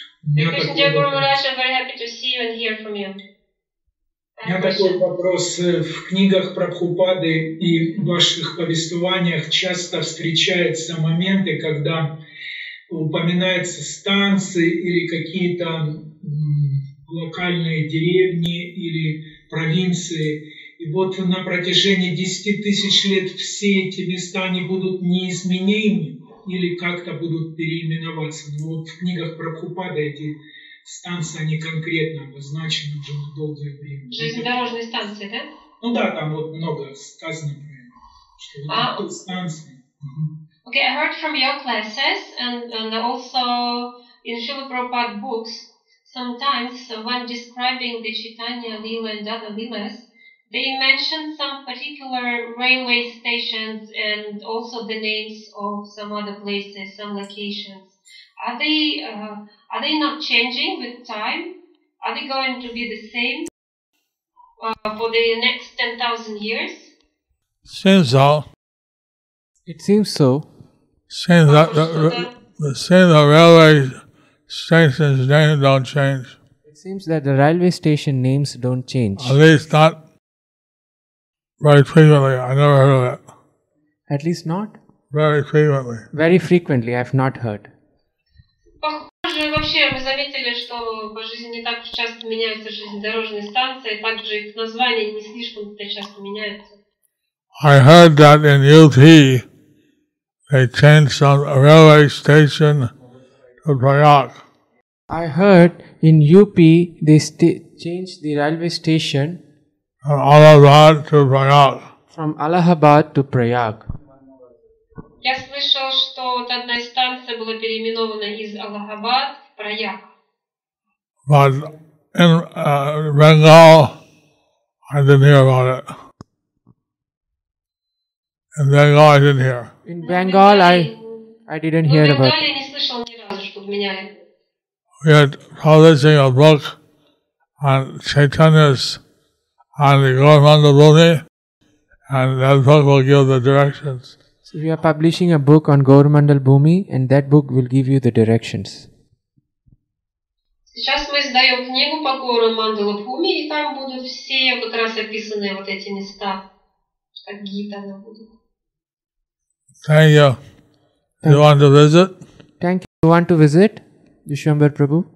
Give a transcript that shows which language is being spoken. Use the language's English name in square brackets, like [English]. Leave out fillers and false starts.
[English] Hare Krishna Guru Maharaj, I'm very happy to see you and hear from you. [Russian] У меня такой вопрос. В книгах Прабхупады и в ваших повествованиях часто встречаются моменты, когда упоминаются станции или какие-то локальные деревни или провинции. И вот на протяжении 10 000 лет все эти места, они будут неизменимы или как-то будут переименоваться. Но вот в книгах Прабхупады эти станции, они конкретно обозначены уже на долгое время. Железнодорожные станции, да? Ну да, там вот много сказано про это, что вот тут станции. [English] Okay, I heard from your classes and also in Srila Prabhupada books, sometimes when describing the Chaitanya Lila and other Lilas, they mention some particular railway stations and also the names of some other places, some locations. Are they not changing with time? Are they going to be the same for the next 10,000 years? Seems so. It seems so. Seems that the railway stations' names don't change. It seems that the railway station names don't change. At least not very frequently. I never heard of that. At least not? Very frequently. Very frequently, I've not heard. [Russian] Похоже, вообще мы заметили, что по жизни не так часто меняются железнодорожные станции, также их название не слишком-то часто меняется. [English] I heard that in UT they changed some railway station to Prayag. I heard in UP they changed the railway station from Allahabad to Prayag. From Allahabad to Prayag. [Russian] Я слышал, что вот одна из станций была переименована из Аллахабад в Прайяг. [English] But in Bengal, I didn't hear about it. In Bengal, I didn't hear. In Bengal, I didn't hear about it. [Russian] В Бенгале не слышал ни разу, чтобы меняли. [English] We are publishing a book on Chaitanya's on the Govinda Bhumi, and that book will give the directions. We are publishing a book on Gaurmandal Bhumi, and that book will give you the directions. [Russian] Сейчас мы издаем книгу по Гаурмандалу Бхуми, и там будут все как раз описаны вот эти места, как гита на будет. [English] Thank you. Thank you. You want to visit? Thank you. You want to visit, Вишвамбар Прабху?